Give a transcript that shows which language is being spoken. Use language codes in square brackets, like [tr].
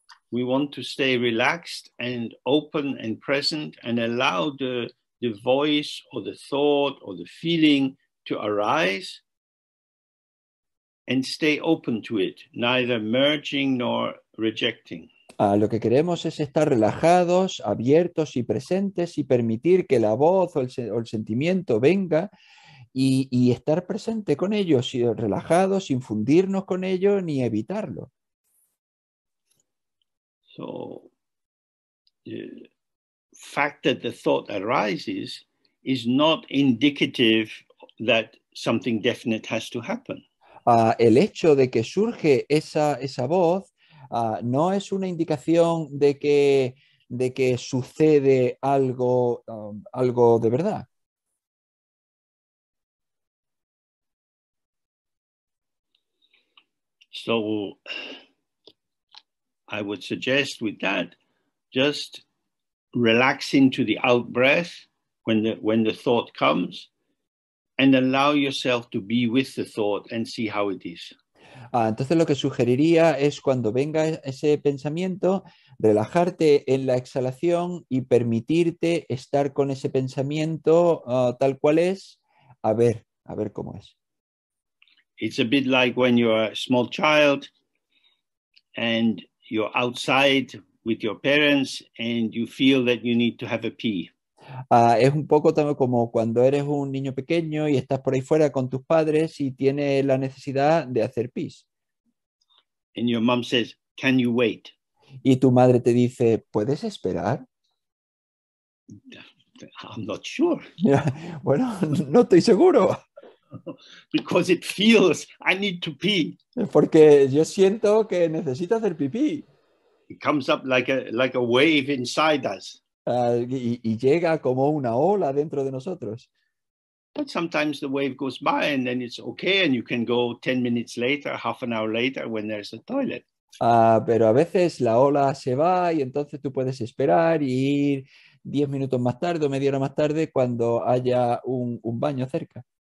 [en] We want to stay relaxed and open and present and allow the voice or the thought or the feeling to arise. And stay open to it, neither merging nor rejecting. [es] Lo que queremos es estar relajados, abiertos y presentes y permitir que la voz o el sentimiento venga y estar presente con ellos, y relajados, sin fundirnos con ellos ni evitarlo. [en] So, the fact that the thought arises is not indicative that something definite has to happen. [es] El hecho de que surge esa voz no es una indicación de que sucede algo de verdad. [en] So I would suggest with that just relax into the out breath when the thought comes. And allow yourself to be with the thought and see how it is. [es] Entonces lo que sugeriría es cuando venga ese pensamiento, relajarte en la exhalación y permitirte estar con ese pensamiento tal cual es, a ver cómo es. [en] It's a bit like when you're a small child and you're outside with your parents and you feel that you need to have a pee. [es] Es un poco como cuando eres un niño pequeño y estás por ahí fuera con tus padres y tienes la necesidad de hacer pis. [en] And your mom says, "Can you wait?" [es] Y tu madre te dice, ¿puedes esperar? [en] I'm not sure. [es] Bueno, no estoy seguro. [en] Because it feels I need to pee. [es] Porque yo siento que necesito hacer pipí. [en] It comes up like a wave inside us. [es] Y llega como una ola dentro de nosotros. [en] But sometimes the wave goes by and then it's okay and you can go 10 minutes later, half an hour later when there's a toilet. [es] Pero a veces la ola se va y entonces tú puedes esperar y ir 10 minutos más tarde o media hora más tarde cuando haya un baño cerca.